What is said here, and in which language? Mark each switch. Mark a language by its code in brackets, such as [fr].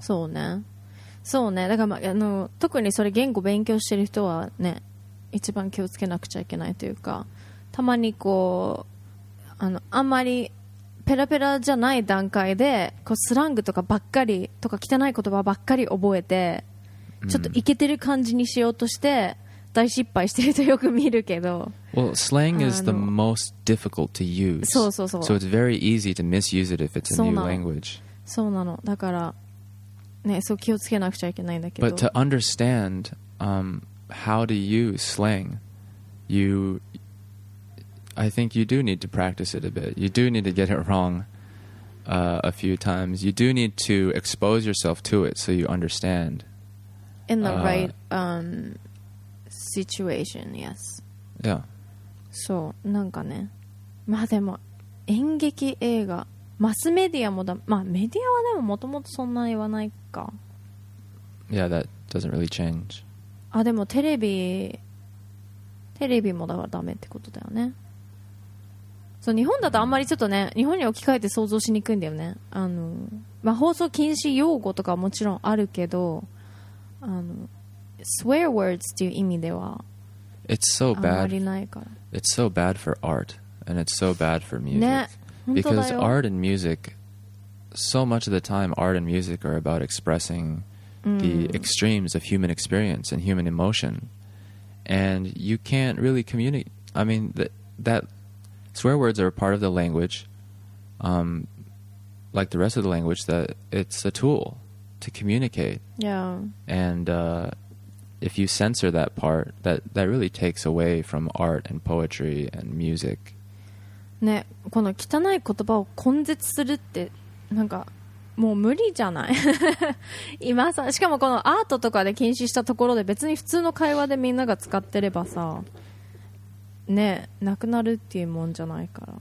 [ja] そうね、そうね。だから、まあ、あの特にそれ言語勉強してる人はね、一番気をつけなくちゃいけないというか、たまにこうあのあんまりペラペラじゃない段階でこうスラングとかばっかりとか汚い言葉ばっかり覚えて、ちょっとイケてる感じにしようとして。大失敗してるとよく見るけど。 [en] Well, slang is the most difficult to use. [ja] そうそうそう。 [en] So it's very easy to misuse it if it's a new language. [ja] そうなの。だから、ね、そう気をつけなくちゃいけないんだけど。 [en] But to understand how to use slang, I think you do need to practice it a bit. You do need to get it wrong a few times. You do need to expose yourself to it so you understand. In the right... situation, yes. Yeah. [ja] そう、なんかね。まあでも演劇映画、マスメディアもだ、まあメディアはでももともとそんな言わないか。 [en] Yeah, that doesn't really change. [ja] あ、でもテレビもだからダメってことだよね。そう、日本だとあんまりちょっとね、日本に置き換えて想像しにくいんだよね。あの、まあ放送禁止用語とかはもちろんあるけど、あの。 Swear words っていう意味では、 [en] it's so bad. [ja] あまりないから。 [en] It's so bad for art and it's so bad for music. [ja] ね、 [en] Because art and music, so much of the time, art and music are about expressing、 [ja] うん、 [en] the extremes of human experience and human emotion. And you can't really communicate. I mean, that swear words are a part of the language, like the rest of the language, that it's a tool to communicate. Yeah. And, if you censor that part, that really takes away from art and poetry and music. [ja] ね、この汚い言葉を根絶するってなんかもう無理じゃない。今さ、しかもこのアートとかで禁止したところで別に普通の会話でみんなが使ってればさ、ね、なくなるっていうもんじゃないから。